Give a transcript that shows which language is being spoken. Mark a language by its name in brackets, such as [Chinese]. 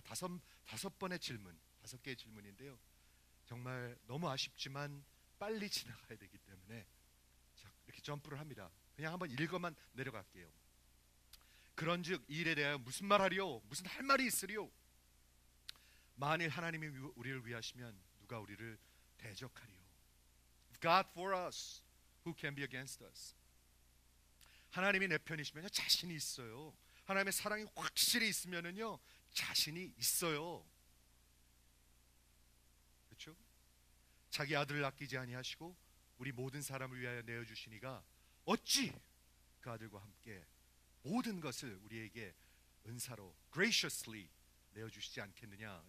[Korean] 다섯 번의 질문, 다섯 개의 질문인데요. 정말 너무 아쉽지만 빨리 지나가야 되기 때문에 이렇게 점프를 합니다. 그냥 한번 읽어만 내려갈게요. 그런즉 이 일에 대하여 무슨 말하리요? 무슨 할 말이 있으리요? 만일 하나님이 우리를 위하시면 누가 우리를 대적하리요? [English] God for us, who can be against us? [Korean] 하나님이 내 편이시면 자신이 있어요. 하나님의 사랑이 확실히 있으면은요 자신이 있어요. 그렇죠? 자기 아들을 아끼지 아니하시고 우리 모든 사람을 위하여 내어주시니가 어찌 그 아들과 함께 모든 것을 우리에게 은사로 graciously 내어주시지 않겠느냐.